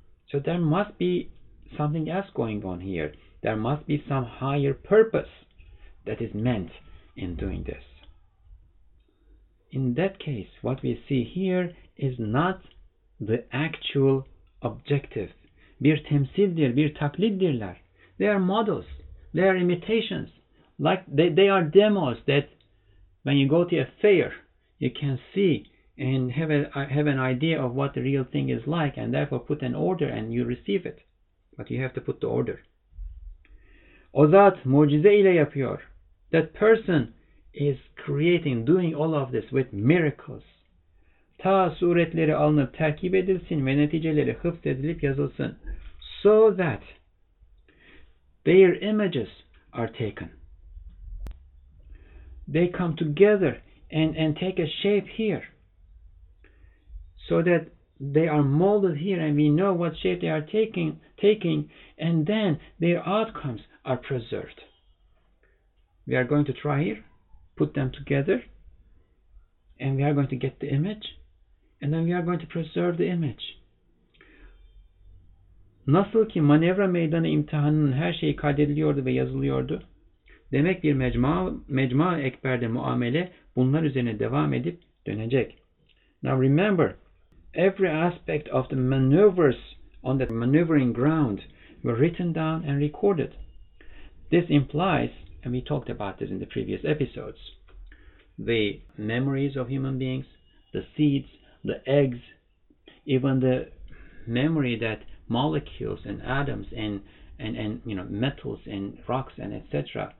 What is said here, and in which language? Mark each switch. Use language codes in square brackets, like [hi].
[en] So there must be something else going on here. There must be some higher purpose that is meant in doing this. In that case, what we see here is not the actual objective. [tr] Bir temsildir, bir taklitdirler. [en] They are models. They are imitations. Like they are demos that when you go to a fair, you can see and have an idea of what the real thing is like, and therefore put an order and you receive it. But you have to put the order. [tr] O zat mucize ile yapıyor. [en] That person is creating, doing all of this with miracles. [tr] Ta suretleri alınıp terkip edilsin ve neticeleri hıfz edilip yazılsın. [en] So that their images are taken. They come together and take a shape here. So that they are molded here and we know what shape they are taking, and then their outcomes are preserved. We are going to try here, put them together, and we are going to get the image, and then we are going to preserve the image. [tr] Nasıl ki manevra meydanı imtihanının her şeyi kaydediliyordu ve yazılıyordu. Demek bir mecmua ekberde muamele bunlar üzerine devam edip dönecek. [en] Now remember, every aspect of the maneuvers on the maneuvering ground were written down and recorded. This implies, and we talked about this in the previous episodes, the memories of human beings, the seeds, the eggs, even the memory that molecules and atoms and metals and rocks and etc.